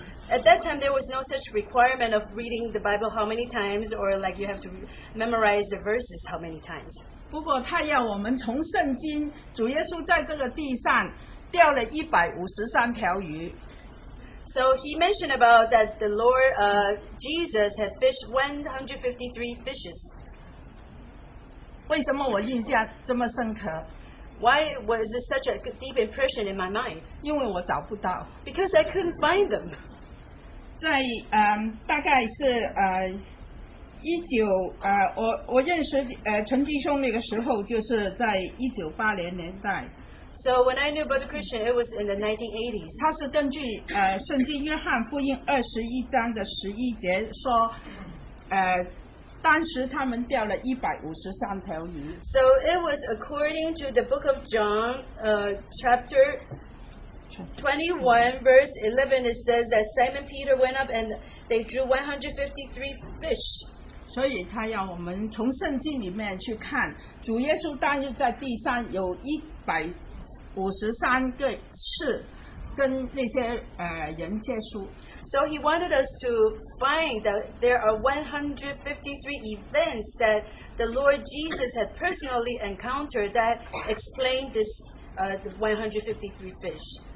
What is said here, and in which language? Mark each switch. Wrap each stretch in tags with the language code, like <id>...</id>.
<en>At that time, there was no such requirement of reading the Bible how many times, or like you have to memorize the verses how many times.</en> <zh>不过他要我们从圣经，主耶稣在这个地上钓了153条鱼。</zh> <en>So he mentioned about that the Lord Jesus had fished 153 fishes.</en> <zh>为什么我印象这么深刻?</zh> <en>Why was this such a deep impression in my mind?</en> <zh>因为我找不到。</zh> <en>Because I couldn't find them.</en> <zh>在, 大概是, 我认识陈弟兄那个时候就是在1980年代。</zh> <en>So when I knew Brother Christian, it was in the 1980s.</en> <zh>他是根据, 圣经约翰福音21章的11节说, 当时他们钓了153条鱼。</zh> <en>So it was according to the book of John, chapter 21, verse 11, it says that Simon Peter went up and they drew 153 fish.</en> <zh>所以他要我们从圣经里面去看，主耶稣当日在地上有一百 53个次跟那些人接触。</zh> <en>So he wanted us to find that there are 153 events that the Lord Jesus had personally encountered that explained this 153 fish.</en>